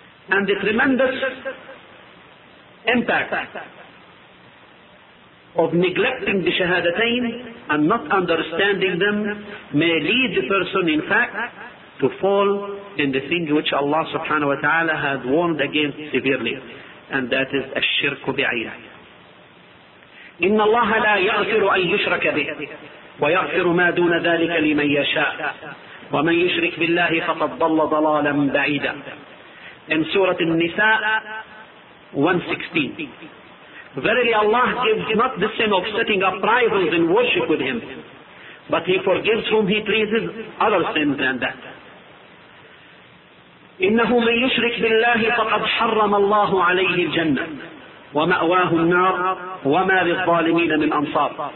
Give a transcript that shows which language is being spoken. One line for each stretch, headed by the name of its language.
English: And the tremendous impact of neglecting the shahadatayn and not understanding them may lead the person in fact to fall in the thing which Allah subhanahu wa ta'ala has warned against severely, and that is
Arabic: الشرك بعينه. إن الله لا يغفر أن يشرك به ويغفر ما دون ذلك لمن يشاء ومن يشرك بالله فقد ضل ضلالا بعيدا.
English: In Surah An-Nisa 116, verily Allah gives not the sin of setting up rivals in worship with Him, but He forgives whom He pleases other sins than that.
Arabic: إِنَّهُ مَنْ يُشْرِكْ بِاللَّهِ فَقَدْ حَرَّمَ اللَّهُ عَلَيْهِ الْجَنَّةِ وَمَأْوَاهُ النَّارِ وَمَا لِلظَّالِمِينَ مِنْ أَنصَارِ.